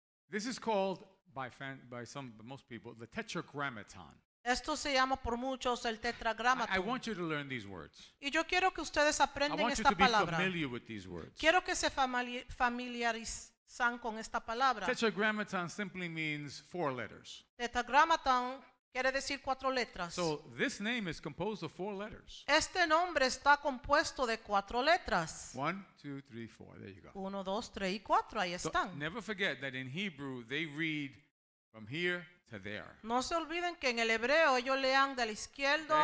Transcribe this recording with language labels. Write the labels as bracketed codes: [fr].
[en] This is called by most people the tetragrammaton. [es] Esto se llama por muchos el tetragrammaton. [en] I want you to learn these words. [es] Y yo quiero que ustedes aprendan esta palabra. [en] I want you to be familiar with these words. [es] Quiero que se familiaricen con esta palabra. [en] Tetragrammaton simply means four letters. [es] Tetragrammaton quiere decir cuatro letras. [en] So this name is composed of four letters. [es] Este nombre está compuesto de cuatro letras. [en] One, two, three, four. There you go. [es] Uno, dos, tres y cuatro. Ahí están. [en] So never forget that in Hebrew they read from here to there. [es] No se olviden que en el hebreo ellos lean de la izquierda